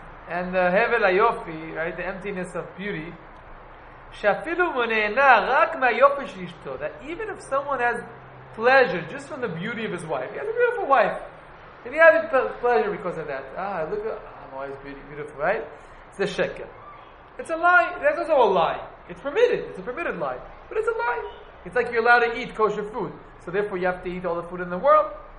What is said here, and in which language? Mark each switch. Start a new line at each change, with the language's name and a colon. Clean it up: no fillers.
English: And the הבל היופי, right? The emptiness of beauty.
Hebrew: שאפילו הוא נהנה רק מהיופי של אשתו.
English: That even if someone has pleasure just from the beauty of his wife. He has a beautiful wife. And he had pleasure because of that. Ah, look at my wife's beautiful, right? It's a sheker. It's a lie. That's also a lie. It's permitted. It's a permitted lie. But it's a lie. It's like you're allowed to eat kosher food. So therefore you have to eat all the food in the world.